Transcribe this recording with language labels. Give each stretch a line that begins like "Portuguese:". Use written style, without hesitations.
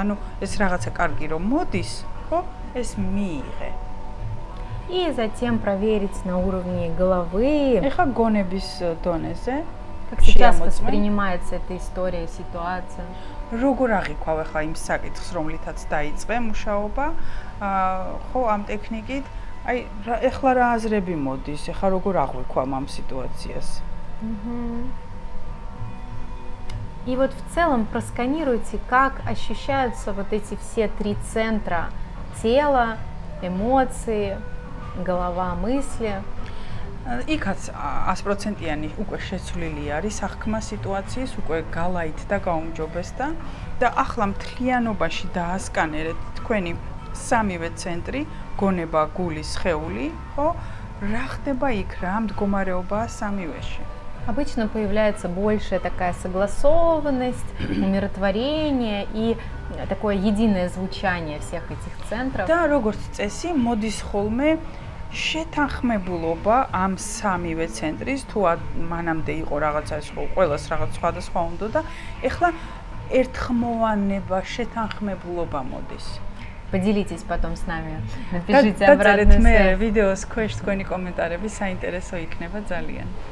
Georgian: ანუ ეს რაღაცა კარგი რომ მოდის, ხო, ეს მიიღე.
Russian: И затем проверить на уровне головы.
Georgian: ეხლა გონების დონეზე.
Russian: Как сейчас воспринимается эта история, ситуация?
Georgian: როგორ აღიქვავ ახლა იმ საკითხს, რომლითაც დაიწყე მუშაობა? აა, ხო, ამ ტექნიკით, აი, ეხლა რა აზრები მოდის? ეხლა როგორ აღვიქვამ ამ სიტუაციას?
Russian: И вот в целом просканируйте, как ощущаются вот эти все три центра: тело, эмоции, голова, мысли.
Georgian: იქაც 100%-იანი უკვე შეცვლილი არის ახქმა სიტუაციის, უკვე გალაით და გაუმჯობეს და ახლა მთლიანობაში დაასკანერეთ თქვენი სამივე ცენტრი, გონება, გული, სხეული, ხო? რა ხდება იქ, რა მდგომარეობაა სამივეში?
Russian: Обычно появляется большая такая согласованность, умиротворение и такое единое звучание всех этих центров.
Georgian: Да, როგორც წესი, მოდის ხოლმე შეთანხმებულობა ამ სამივე ცენტრის, თუ მანამდე იყო რაღაცა ის ხო, ყოველას რაღაც სხვადასხვა უნდა და ეხლა ერთხმოვანება, შეთანხმებულობა მოდის.
Russian: Поделитесь потом с нами. Напишите обратную связь.
Georgian: Да, мне видеос кое-что, თქვენი კომენტარები საინტერესო იქნება ძალიან.